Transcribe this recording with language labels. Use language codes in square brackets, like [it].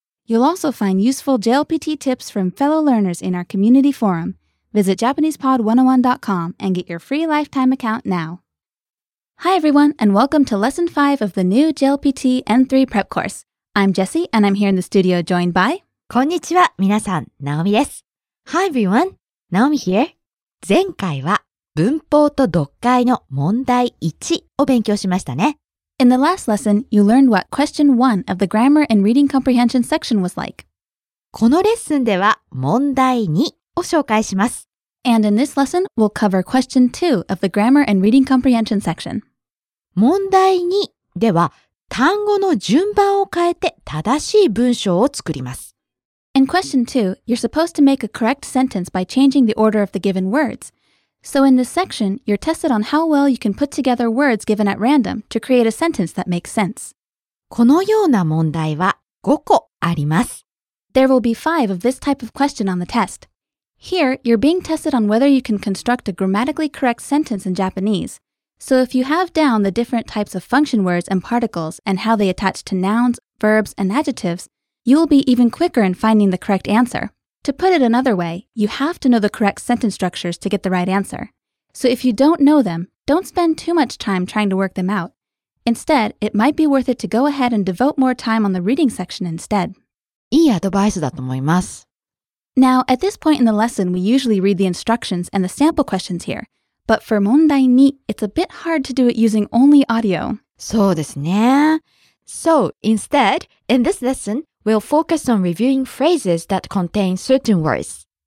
[en] You'll also find useful JLPT tips from fellow learners in our community forum. Visit JapanesePod101.com and get your free lifetime account now. Hi everyone, and welcome to Lesson 5 of the new JLPT N3 Prep Course. I'm Jessie, and I'm here in the studio joined by... [ja] こんにちは、皆さん、ナオミです。 [en] Hi everyone, Naomi here. [ja] 前回は文法と読解の問題1を勉強しましたね。 [en] In the last lesson, you learned what question 1 of the grammar and reading comprehension section was like. [ja] このレッスンでは問題2を紹介します。 [en] And in this lesson, we'll cover question 2 of the grammar and reading comprehension section. [ja] 問題2では単語の順番を変えて正しい文章を作ります。 [en] In question 2, you're supposed to make a correct sentence by changing the order of the given words. So in this section, you're tested on how well you can put together words given at random to create a sentence that makes sense. [ja] このような問題は5個あります。 [en] There will be 5 of this type of question on the test. Here, you're being tested on whether you can construct a grammatically correct sentence in Japanese. So if you have down the different types of function words and particles and how they attach to nouns, verbs, and adjectives,You will be even quicker in finding the correct answer. To put it another way, you have to know the correct sentence structures to get the right answer. So if you don't know them, don't spend too much time trying to work them out. Instead, it might be worth it to go ahead and devote more time on the reading section instead. [ja] いいアドバイスだと思います。 [en] Now, at this point in the lesson, we usually read the instructions and the sample questions here. But for 問題2, it's a bit hard to do it using only audio. [ja] そうですね。 [en] So, instead, in this lesson,We'll focus on reviewing phrases that contain certain words.